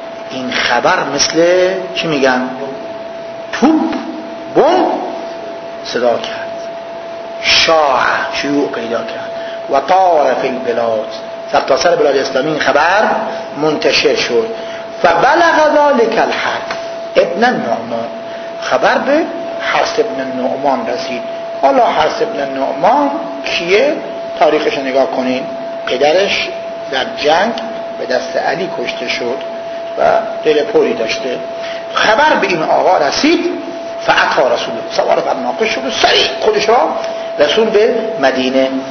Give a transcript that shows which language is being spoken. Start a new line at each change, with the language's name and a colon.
Persian: این خبر مثل چی میگن؟ توپ بوم صدا کرد، شاع شیوع پیدا کرد،
Arabic: و طار فی البلاد،
Persian: سر تا سر بلاد اسلامی این خبر منتشر شد.
Arabic: فبلغ ذلك الحرف ابن النعمان،
Persian: خبر به حرس ابن النعمان رسید. حالا حرس ابن النعمان کیه؟ تاریخش نگاه کنین، پدرش در جنگ به دست علی کشته شد و دل پوری داشته. خبر به این آقا رسید، فعطا رسول سوار بر ناقه شد و سریع خودش را رسول به مدینه.